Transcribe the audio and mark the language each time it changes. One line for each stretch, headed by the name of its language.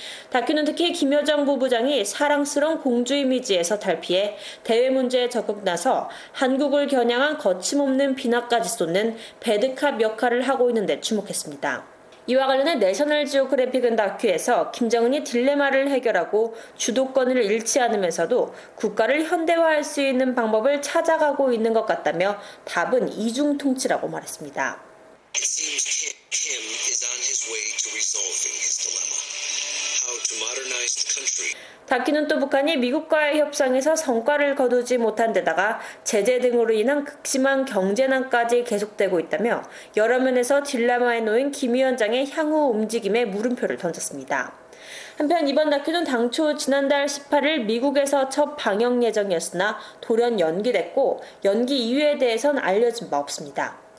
Korean: 다큐는 특히 김여정 부부장이 사랑스러운 공주 이미지에서 탈피해 대외 문제에 적극 나서 한국을 겨냥한 거침없는 비난까지 쏟는 배드캅 역할을 하고 있는데 주목했습니다. 이와 관련해 내셔널 지오그래픽은 다큐에서 김정은이 딜레마를 해결하고 주도권을 잃지 않으면서도 국가를 현대화할 수 있는 방법을 찾아가고 있는 것 같다며 답은 이중통치라고 말했습니다.
English: It seems Kim is on his way to resolving his dilemma. How to modernize the country.
Korean: 다큐는 또 북한이 미국과의 협상에서 성과를 거두지 못한 데다가 제재 등으로 인한 극심한 경제난까지 계속되고 있다며 여러 면에서 딜레마에 놓인 김 위원장의 향후 움직임에 물음표를 던졌습니다. 한편 이번 다큐는 당초 지난달 18일 미국에서 첫 방영 예정이었으나 돌연 연기됐고 연기 이유에 대해선 알려진 바 없습니다.